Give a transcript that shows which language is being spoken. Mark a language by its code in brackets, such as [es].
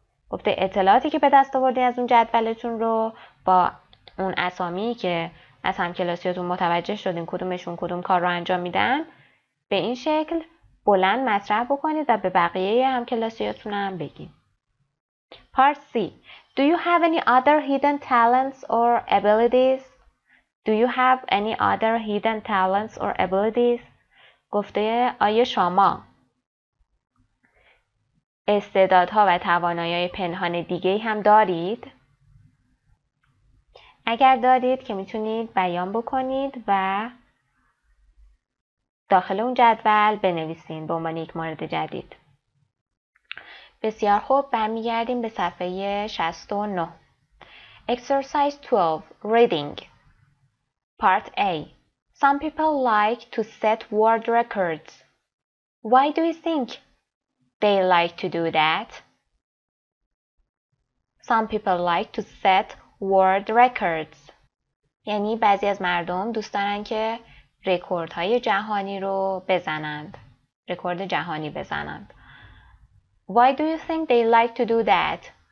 [fa] گفته اطلاعاتی که به دست آوردی از اون جدولتون رو با اون اسامی که از همکلاسیاتون متوجه شدین کدومشون کدوم کار رو انجام میدن به این شکل بلند مطرح بکنید و به بقیه همکلاسیاتون هم بگید. [en] Part C. Do you have any other hidden talents or abilities? Do you have any other hidden talents or abilities? [fa] گفته آیا شما استعدادها و توانایی پنهان دیگه هم دارید؟ اگر دارید که میتونید بیان بکنید و داخل اون جدول بنویسین به عنوان یک مورد جدید. بسیار خوب، برمیگردیم به صفحه 69. [en] Exercise 12. Reading. Part A. Some people like to set world records. Why do you think they like to do that? Some people like to set world records. [fa] یعنی بعضی از مردم دوست دارن که رکوردهای جهانی رو بزنند. رکورد جهانی بزنند. [en] Why do you think they like to do that?